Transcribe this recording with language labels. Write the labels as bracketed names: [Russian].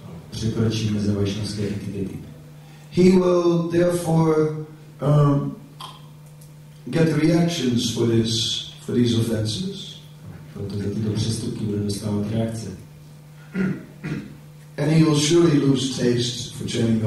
[Czech] Překročí meze vaishnavské etikety. [English] He will therefore get reactions for this, for these offenses. [Czech] Proto za tyto přestupky bude dostávat reakce. [English] And he will surely lose taste for chanting the